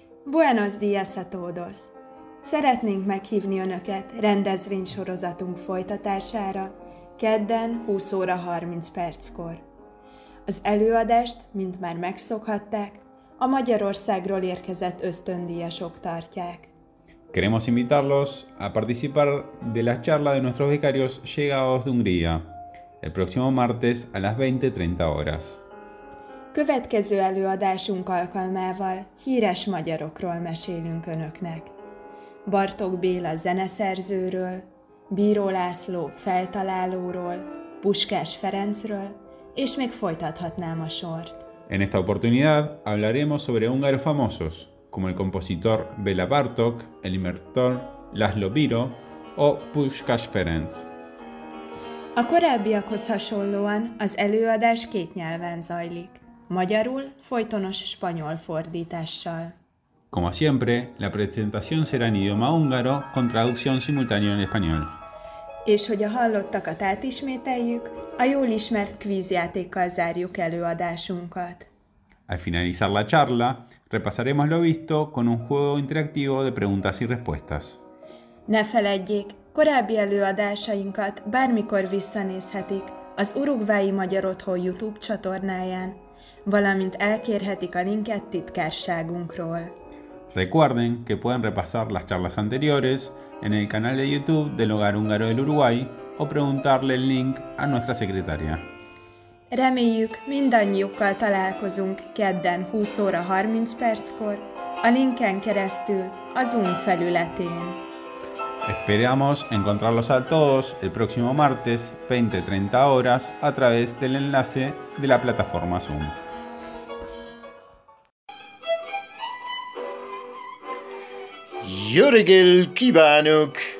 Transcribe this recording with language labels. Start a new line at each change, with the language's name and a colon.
Spanish: Buenos días a todos!
Hungarian: Szeretnénk meghívni Önöket rendezvénysorozatunk folytatására kedden 20 óra 30 perckor. Az előadást, mint már megszokhatták, a Magyarországról érkezett ösztöndíjasok tartják.
Spanish: Queremos invitarlos a participar de la charla de nuestros becarios llegados de Hungría el próximo martes a las 20:30 horas.
Hungarian: Következő előadásunk alkalmával híres magyarokról mesélünk Önöknek. Bartók Béla zeneszerzőről, Bíró László feltalálóról, Puskás Ferencről, és még folytathatnám a sort.
Spanish: En esta oportunidad hablaremos sobre húngaros famosos, como el compositor Béla Bartók, el inventor László Bíró o Puskás Ferenc.
Hungarian: A korábbiakhoz hasonlóan az előadás két nyelven zajlik. Magyarul, folytonos spanyol fordítással.
Spanish: Como siempre, la presentación será en idioma húngaro con traducción simultánea en español.
Hungarian: És hogy a hallottakat átismételjük, a jól ismert kvízjátékkal zárjuk előadásunkat.
Spanish: Al finalizar la charla, repasaremos lo visto con un juego interactivo de preguntas y respuestas.
Hungarian: Ne feledjék, korábbi előadásainkat bármikor visszanézhetik az Uruguayi Magyar Otthon YouTube csatornáján, valamint elkérhetik a linket titkárságunkról.
Spanish: Recuerden que pueden repasar las charlas anteriores en el canal de YouTube del Hogar Húngaro del Uruguay o preguntarle el link a nuestra secretaria.
Hungarian: Reméljük, mindannyiukkal találkozunk kedden 20 óra 30 perckor a linken keresztül a Zoom felületén.
Spanish: Esperamos encontrarlos a todos el próximo martes 20:30 horas a través del enlace de la plataforma Zoom.
Hungarian: Jó reggelt kívánok!